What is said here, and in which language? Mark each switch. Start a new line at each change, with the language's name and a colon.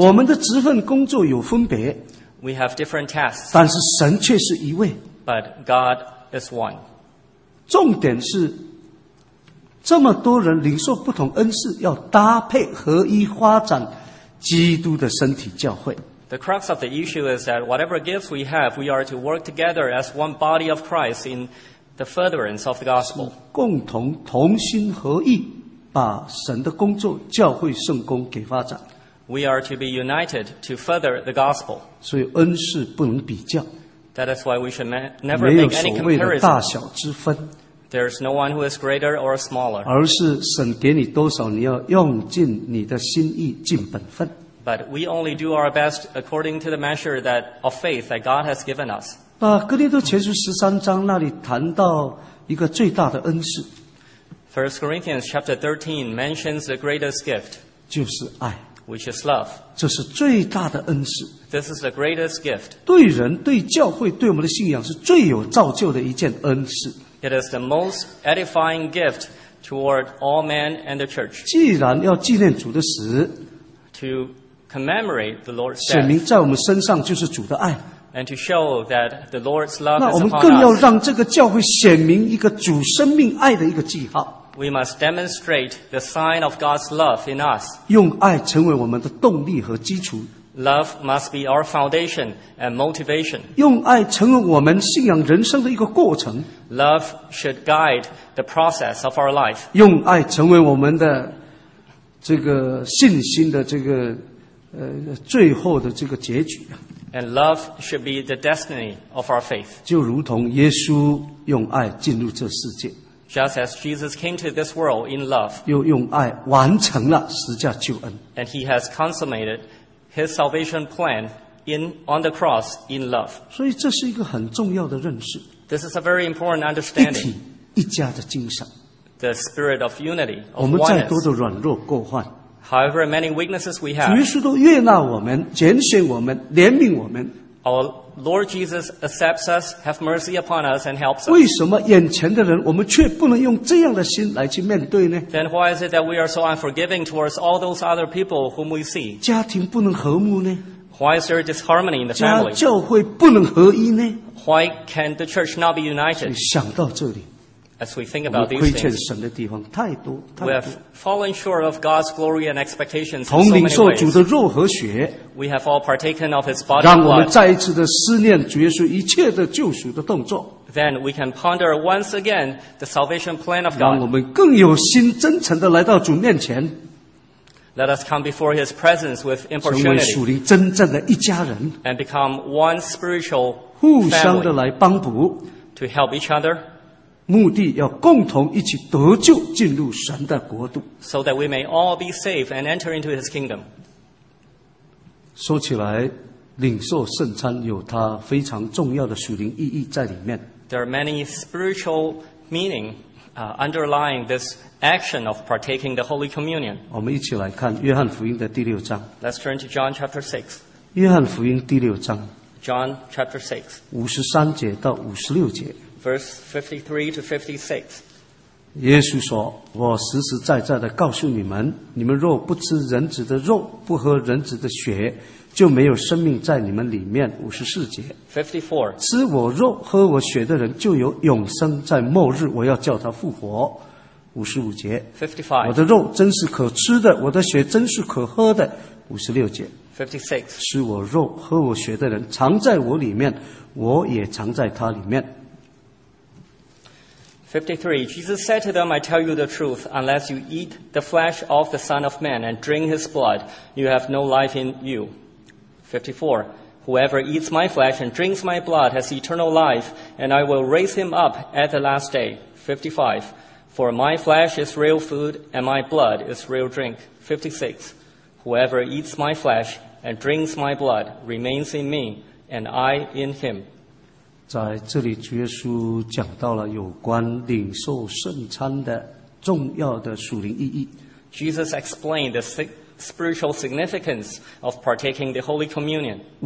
Chinese: 我们的职份工作有分别。
English: We have different tasks.
Chinese: 但是神却是一位。
English: But God is one.
Chinese: 重点是，这么多人领受不同恩赐，要搭配合一发展基督的身体教会。
English: The crux of the issue is that whatever gifts we have, we are to work together as one body of Christ in the furtherance of the gospel.
Chinese: 共同同心合意，把神的工作、教会圣工给发展。
English: We are to be united to further the gospel.
Chinese: 所以恩赐不能比较。
English: That is why we should never make any comparison.
Chinese: 没有所谓的大小之分。
English: There is no one who is greater or smaller.
Chinese: 而是神给你多少，你要用尽你的心意，尽本分。
English: But we only do our best according to the measure that of faith that God has given us.
Chinese: 那哥林多前书十三章那里谈到一个最大的恩赐。
English: First Corinthians chapter 13 mentions the greatest gift.
Chinese: 就是爱。
English: Which is love.
Chinese: 这是最大的恩赐。
English: This is the greatest gift.
Chinese: 对人、对教会、对我们的信仰是最有造就的一件恩赐。
English: It is the most edifying gift toward all men and the church.
Chinese: 既然要纪念主的死。
English: To commemorate the Lord's death.
Chinese: 显明在我们身上就是主的爱。
English: And to show that the Lord's love is upon us.
Chinese: 那我们更要让这个教会显明一个主生命爱的一个记号。
English: We must demonstrate the sign of God's love in us.
Chinese: 用爱成为我们的动力和基础。
English: Love must be our foundation and motivation.
Chinese: 用爱成为我们信仰人生的一个过程。
English: Love should guide the process of our life.
Chinese: 用爱成为我们的这个信心的这个最后的这个结局。
English: And love should be the destiny of our faith.
Chinese: 就如同耶稣用爱进入这世界。
English: Just as Jesus came to this world in love.
Chinese: 又用爱完成了十架救恩。
English: And he has consummated his salvation plan on the cross in love.
Chinese: 所以这是一个很重要的认识。
English: This is a very important understanding.
Chinese: 一体一家的精神。
English: The spirit of unity, of oneness.
Chinese: 我们再多的软弱过患。
English: However many weaknesses we have,
Chinese: 主耶稣都悦纳我们，拣选我们，怜悯我们。
English: Our Lord Jesus accepts us, have mercy upon us, and helps us.
Chinese: 为什么眼前的人，我们却不能用这样的心来去面对呢？
English: Then why is it that we are so unforgiving towards all those other people whom we see?
Chinese: 家庭不能和睦呢？
English: Why is there disharmony in the family?
Chinese: 教会不能合一呢？
English: Why can the church not be united?
Chinese: 想到这里。
English: As we think about these things,
Chinese: 神的地方太多太多
English: we have fallen short of God's glory and expectations.
Chinese: 同领受主的肉和血
English: we have all partaken of His body.
Chinese: 让我们再一次的思念主耶稣一切的救赎的动作
English: Then we can ponder once again the salvation plan of God.
Chinese: 让我们更有心真诚的来到主面前
English: Let us come before His presence with importunity.
Chinese: 成为属灵真正的一家人
English: And become one spiritual family.
Chinese: 互相的来帮补
English: To help each other.
Chinese: 目的要共同一起得救进入神的国度
English: so that we may all be safe and enter into his kingdom
Chinese: 说起来领受圣餐有它非常重要的属灵意义在里面
English: there are many spiritual meaning underlying this action of partaking the Holy Communion
Chinese: 我们一起来看约翰福音的第六章
English: let's turn to John chapter 6
Chinese: 约翰福音第六章
English: John chapter 6.
Chinese: 53节到56节.
English: Verse 53 to 56.
Chinese: 耶稣说, 我实实在在地告诉你们, 你们若不吃人子的肉, 不喝人子的血, 就没有生命在你们里面。 54节,
English: 54.
Chinese: 吃我肉, 喝我血的人, 就有永生在末日, 我要叫他复活。 55节,
English: 55.
Chinese: 我的肉真是可吃的, 我的血真是可喝的。 56节,
English: 56.
Chinese: 吃我肉, 喝我血的人, 藏在我里面, 我也藏在他里面。
English: 53. Jesus said to them, I tell you the truth, unless you eat the flesh of the Son of Man and drink his blood, you have no life in you. 54. Whoever eats my flesh and drinks my blood has eternal life, and I will raise him up at the last day. 55. For my flesh is real food, and my blood is real drink. 56. Whoever eats my flesh and drinks my blood remains in me, and I in him.
Chinese: 在这里主耶稣讲到了有关领受圣餐的重要的属灵意义。
English: Jesus explained the spiritual significance of partaking the Holy Communion.